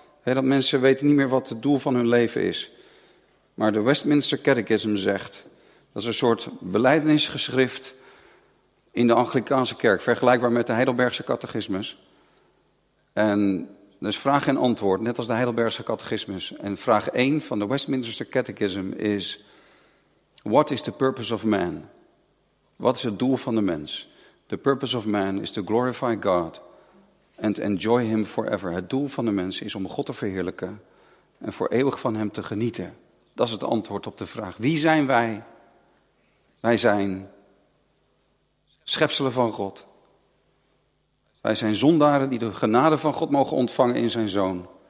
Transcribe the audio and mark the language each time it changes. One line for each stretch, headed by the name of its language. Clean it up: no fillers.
Dutch: Dat mensen weten niet meer wat het doel van hun leven is. Maar de Westminster Catechism zegt, dat is een soort belijdenisgeschrift in de Anglicaanse kerk, vergelijkbaar met de Heidelbergse catechismus. En dus vraag en antwoord, net als de Heidelbergse catechismus. En vraag 1 van de Westminster Catechism is,
English: what is the purpose of man?
Dutch: Wat is het doel van de mens?
English: The purpose of man is to glorify God and enjoy him forever.
Dutch: Het doel van de mens is om God te verheerlijken en voor eeuwig van hem te genieten. Dat is het antwoord op de vraag, wie zijn wij? Wij zijn schepselen van God. Wij zijn zondaren die de genade van God mogen ontvangen in zijn zoon.